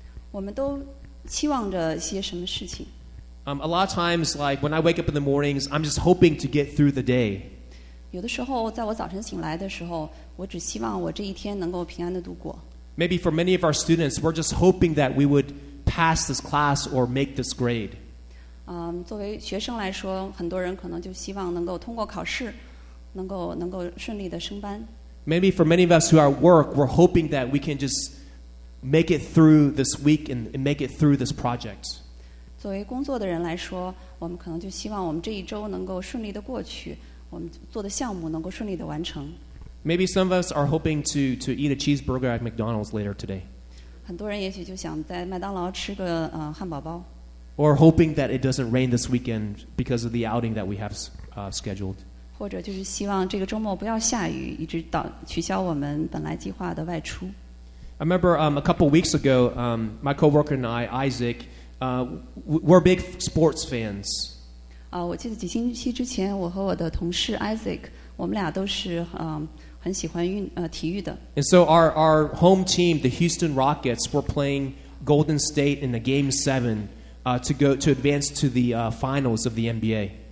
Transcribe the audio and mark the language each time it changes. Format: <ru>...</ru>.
<zh>我们都期望着些什么事情。</zh> <en>A lot of times, like when I wake up in the mornings, I'm just hoping to get through the day.</en> <zh>有的时候，在我早晨醒来的时候，我只希望我这一天能够平安的度过。</zh> <en>Maybe for many of our students, we're just hoping that we would pass this class or make this grade.</en> <zh>作为学生来说，很多人可能就希望能够通过考试。能够顺利的升班。</zh> <en>Maybe for many of us who are at work, we're hoping that we can just make it through this week and make it through this project.</en> <zh>作为工作的人来说，我们可能就希望我们这一周能够顺利的过去，我们做的项目能够顺利的完成。</zh> <en>Maybe some of us are hoping to eat a cheeseburger at McDonald's later today.</en> <zh>很多人也许就想在麦当劳吃个汉堡包。</zh> <en>Or hoping that it doesn't rain this weekend because of the outing that we have scheduled.</en> <zh>或者就是希望这个周末不要下雨，一直到取消我们本来计划的外出。</zh> <en>I remember a couple of weeks ago, my coworker and I, Isaac, we're big sports fans.</en> <zh>我记得几星期之前，我和我的同事 Isaac, 我们俩都是很喜欢体育的。</zh> <en>And so our home team, the Houston Rockets, were playing Golden State in the Game 7, to advance to the finals of the NBA.</en>